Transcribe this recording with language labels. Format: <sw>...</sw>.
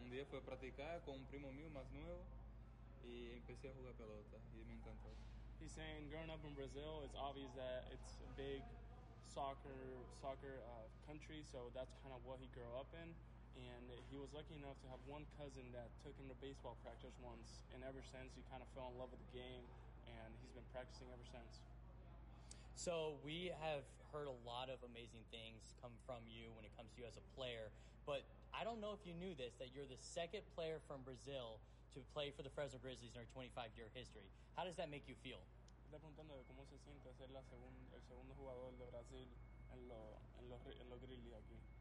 <es>Fue practicar con un primo mío más nuevo y empecé a jugar pelota y me encantó.</es> <en>He's saying growing up in Brazil, it's obvious that it's a big soccer country, so that's kind of what he grew up in, and he was lucky enough to have one cousin that took him to baseball practice once, and ever since he kind of fell in love with the game and he's been practicing ever since. So we have heard a lot of amazing things come from you when it comes to you as a player, but I don't know if you knew this, that you're the second player from Brazil to play for the Fresno Grizzlies in our 25-year history. How does that make you feel?</en> <es>Está preguntando de cómo se siente ser la el segundo jugador de Brasil en los Grizzlies aquí.</es>